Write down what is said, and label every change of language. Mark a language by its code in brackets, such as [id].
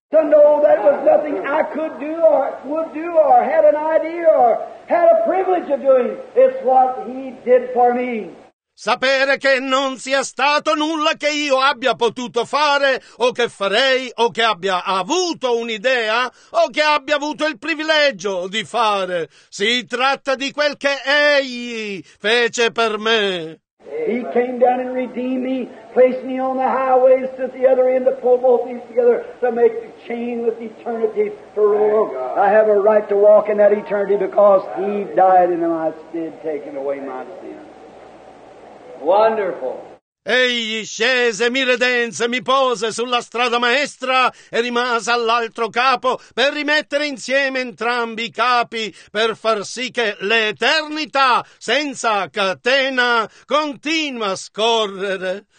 [en] To know that was nothing I could do or would do or had an idea or had a privilege of doing. It's what he did for me. [it] Sapere che non sia stato nulla che io abbia potuto fare o che farei o che abbia avuto un'idea o che abbia avuto il privilegio di fare. Si tratta di quel che egli fece per me. [en] He came down and redeemed me, placed me on the highways to the other end to pull both these together to make the chain with eternity to roll. I have a right to walk in that eternity because he died in my stead, taking away my sin. Wonderful. [it] Egli scese, mi redense, mi pose sulla strada maestra e rimase all'altro capo per rimettere insieme entrambi i capi, per far sì che l'eternità senza catena continua a scorrere.